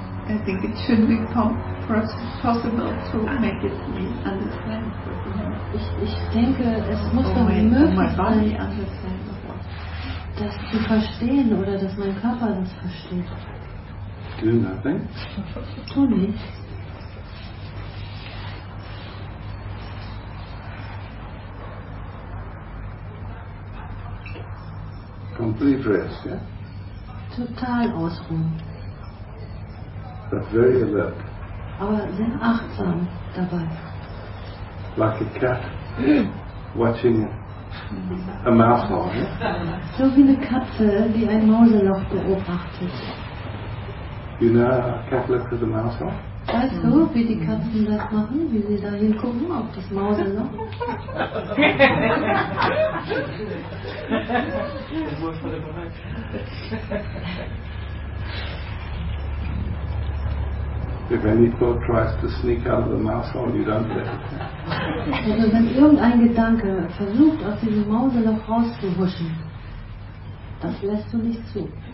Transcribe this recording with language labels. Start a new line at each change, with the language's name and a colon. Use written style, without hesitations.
English: I think it should be possible to make it understand.
German: Ich denke, es muss doch möglich sein, das zu verstehen oder dass mein Körper das versteht.
English: Do nothing.
German: Tu nichts.
English: Complete rest, yeah?
German: Total ausruhen.
English: But very alert.
German: Aber sehr achtsam dabei.
English: Like a cat watching a mouse hole, yeah?
German: So wie eine Katze, die ein Mauseloch beobachtet.
English: You know how a cat looks at a mouse hole?
German: Weißt du, wie die Katzen das machen, wie sie da hingucken, auf das Mauseloch?
English: If any thought tries to sneak out of the mouse hole, you don't let it.
German: Also wenn irgendein Gedanke versucht, aus diesem Mauseloch rauszuhuschen, das lässt du nicht zu.